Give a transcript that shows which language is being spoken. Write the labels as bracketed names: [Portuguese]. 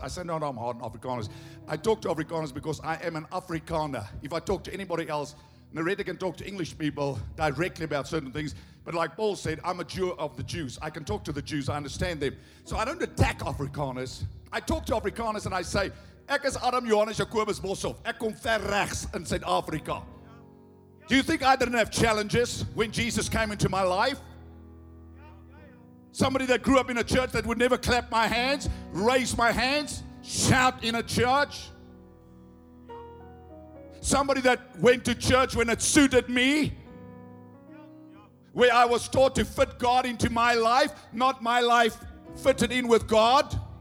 [English] I say, "No, no, I'm hard on Afrikaners. I talk to Afrikaners because I am an Afrikaner. If I talk to anybody else, Narendra can talk to English people directly about certain things. But like Paul said, I'm a Jew of the Jews. I can talk to the Jews. I understand them. So I don't attack Afrikaners. I talk to Afrikaners and I say, [Afrikaans] "Ek is Adam Johannes Jacobus Boshoff. Ek kom ver regs in Suid-Afrika." [English] Do you think I didn't have challenges when Jesus came into my life? Somebody that grew up in a church that would never clap my hands, raise my hands, shout in a church. Somebody that went to church when it suited me. Where I was taught to fit God into my life, not my life fitted in with God.